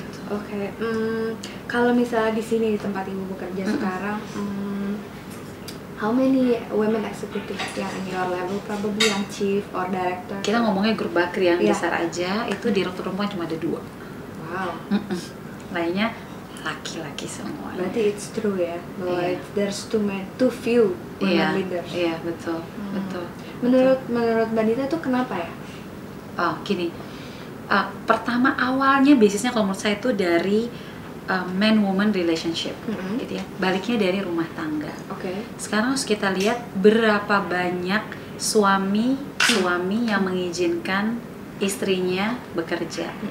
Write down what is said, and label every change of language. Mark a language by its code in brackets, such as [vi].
[en] Okay. [id] Kalau misalnya di sini di tempat ibu bekerja sekarang, [en] how many women executives yang in your level, probably yang chief or director? [id] Kita ngomongnya grup Bakri yang besar aja, itu direktur perempuan cuma ada 2. Wow. Lainnya laki-laki semua. [en] Berarti it's true ya, bahwa there's too few women leaders. [id] Iya, betul, betul. Menurut Banita itu kenapa ya? Oh, gini. Pertama awalnya basisnya kalau menurut saya itu dari man-woman relationship, gitu ya. Baliknya dari rumah tangga. Okay. Sekarang harus kita lihat berapa banyak suami-suami yang mengizinkan istrinya bekerja.